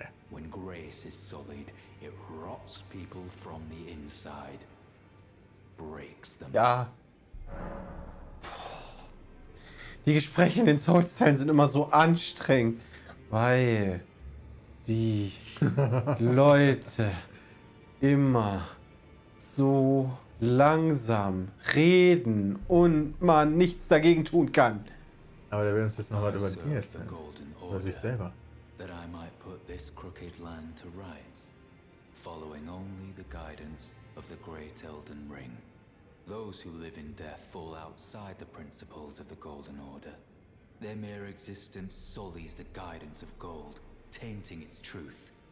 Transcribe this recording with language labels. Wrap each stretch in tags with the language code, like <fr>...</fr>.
<en>When grace is sullied, it rots people from the inside. Breaks them.</en> <de>Ja. Die Gespräche in den Souls-Teilen sind immer so anstrengend, weil die Leute immer so langsam reden und man nichts dagegen tun kann. Aber der will uns jetzt noch was über die Dinge erzählen. Oder sich selber.</de> <en>That I might put this crooked land to rights, following only the guidance of the great Elden Ring. Those who live in death fall outside the principles of the Golden Order. Their mere existence sullies the guidance of gold, tainting its truth.</en>